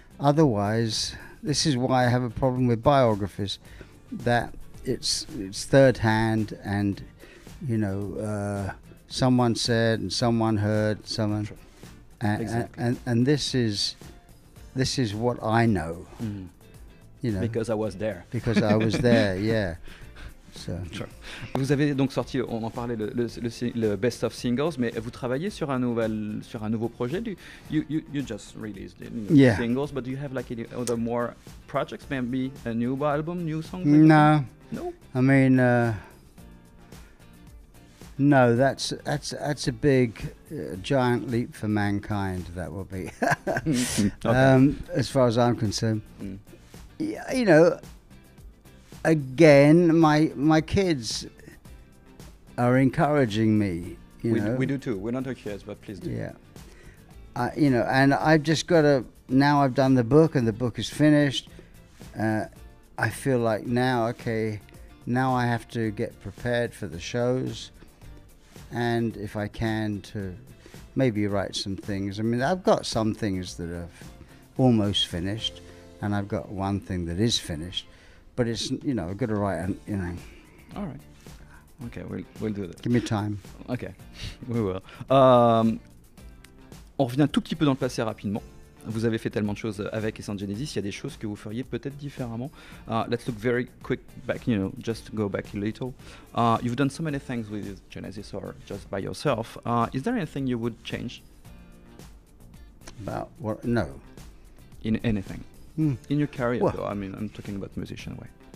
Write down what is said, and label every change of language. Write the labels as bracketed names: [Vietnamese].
[English] Otherwise, this is why I have a problem with biographies, that it's third hand and, you know, someone said and someone heard someone. Sure. And this is what I know, you know. Because I was there. Because I was there, yeah. So. Sure. [French] Vous avez donc sorti, on en parlait, le best of singles, mais vous travaillez sur un nouveau projet. [English] You just released the yeah. singles, but do you have like any other more projects? Maybe a new album, new song? No. No? I mean, no, that's a big giant leap for mankind, that will be. Okay. As far as I'm concerned. Mm. Yeah, you know, again, my kids are encouraging me, We do too. We're not your kids, but please do. Yeah. You know, and I've just got to, now I've done the book and the book is finished. I feel like now I have to get prepared for the shows. And if I can, to maybe write some things. I mean, I've got some things that are almost finished, and I've got one thing that is finished. But it's, you know, I've got to write, you know. All right. Okay, we'll do that. Give me time. Okay, we will. [French] On revient un tout petit peu dans le passé rapidement. vous avez fait tellement de choses avec Essence Genesis, il y a des choses que vous feriez peut-être différemment. [English] Let's look very quick back, you know, just go back a little. You've done so many things with Genesis or just by yourself. Is there anything you would change? About what? No. In anything. Mm. In your career, well, though, I mean, I'm talking about musician way.